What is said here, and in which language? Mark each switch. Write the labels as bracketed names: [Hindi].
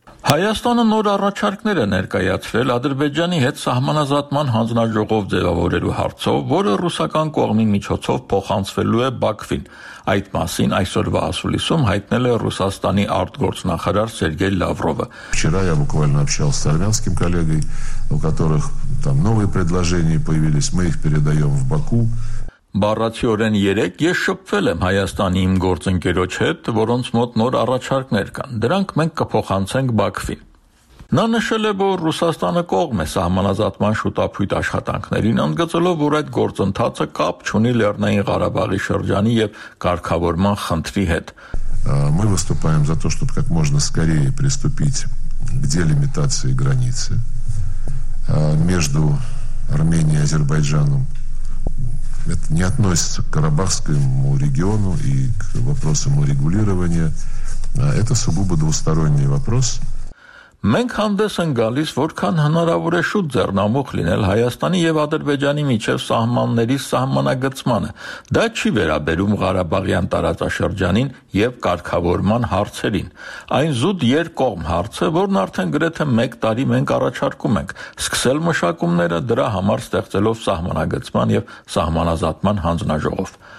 [Armenian] Հայաստանը նոր առաջարկներ է ներկայացրել Ադրբեջանի հետ սահմանազատման հանձնաժողով ձևավորելու հարցով, որը ռուսական կողմի միջոցով փոխանցվելու է Բաքվին։ Այդ մասին այսօրվա ասուլիսում հայտնել է Ռուսաստանի արտգործնախարար Սերգեյ Լավրովը։ [Russian] Вчера я буквально общался с армянским коллегой, у которых там новые предложения появились, мы их передаём в Баку. [Armenian] Բառացիորեն 3 ես շփվել եմ Հայաստանի իմ գործընկերոջ հետ, որոնց մոտ նոր առաջարկներ կան։ Դրանք մենք կփոխանցենք Բաքվին։ Նա նշել է, որ Ռուսաստանը կողմ է սահմանազատման շուտափույթ աշխատանքներին, ընդգծելով, որ այդ գործընթացը կապ չունի Լեռնային Ղարաբաղի շրջանի եւ կարգավորման խնդրի հետ։ [Russian] Мы выступаем за то, чтобы как можно скорее приступить к делимитации границы между Арменией и Азербайджаном. Это не относится к Карабахскому региону и к вопросам урегулирования. Это сугубо двусторонний вопрос. [Armenian] Մենք հանդես ենք գալիս, որքան հնարավոր է շուտ ձեռնամուխ լինել Հայաստանի եւ Ադրբեջանի միջև սահմանների սահմանագծմանը։ Դա չի վերաբերում Ղարաբաղյան տարածաշրջանին եւ կարգավորման հարցերին։ Այն զուտ երկկողմ հարց է, որն արդեն գրեթե 1 տարի մենք առաջարկում ենք՝ սկսել մշակումները դրա համար, ստեղծելով սահմանագծման եւ սահմանազատման հանձնաժողով։